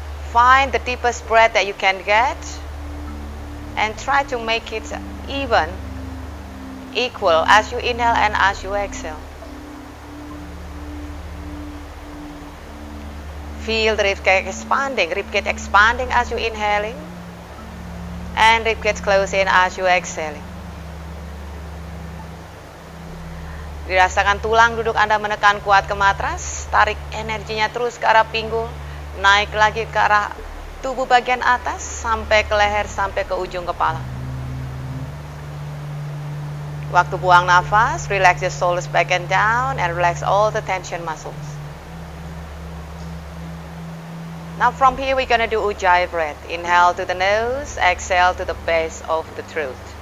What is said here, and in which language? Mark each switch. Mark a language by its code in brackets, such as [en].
[en] Find the deepest breath that you can get. And try to make it even, equal as you inhale and as you exhale. Feel the ribcage expanding as you inhaling, and ribcage closing as you exhaling. [id] Dirasakan tulang duduk Anda menekan kuat ke matras, tarik energinya terus ke arah pinggul, naik lagi ke arah tubuh bagian atas, sampai ke leher, sampai ke ujung kepala. Waktu buang nafas, [en] relax your shoulders back and down, and relax all the tension muscles. Now from here, we're gonna do Ujjayi breath. Inhale to the nose, exhale to the base of the throat.